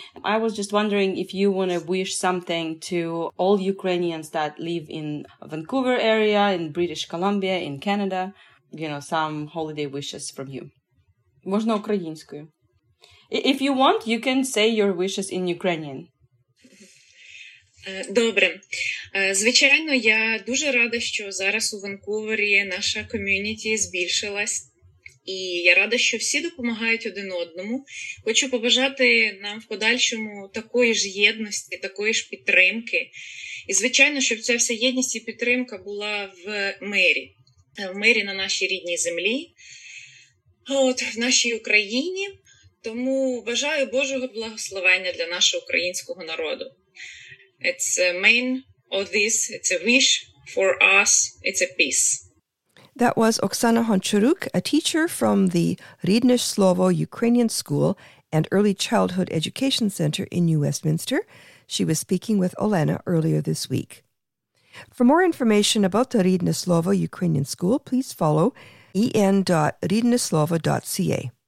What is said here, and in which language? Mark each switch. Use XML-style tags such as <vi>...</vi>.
<en>I was just wondering if you want to wish something to all Ukrainians that live in Vancouver area, in British Columbia, in Canada, you know, some holiday wishes from you.</en> <uk>Можна українською.</uk> <en>If you want, you can say your wishes in Ukrainian.</en> <uk>Добре. Звичайно, я дуже рада, що зараз у Ванкувері наша ком'юніті збільшилась. І я рада, що всі допомагають один одному. Хочу побажати нам в подальшому такої ж єдності, такої ж підтримки. І, звичайно, щоб ця вся єдність і підтримка була в мирі на нашій рідній землі, от в нашій Україні. Тому бажаю Божого благословення для нашого українського народу.</uk> <en>It's the main of this, it's a wish for us, it's a peace. That was Oksana Honcharuk, a teacher from the Rydne Slovo Ukrainian School and Early Childhood Education Center in New Westminster. She was speaking with Olena earlier this week. For more information about the Rydne Slovo Ukrainian School, please follow en.rydneslovo.ca.</en>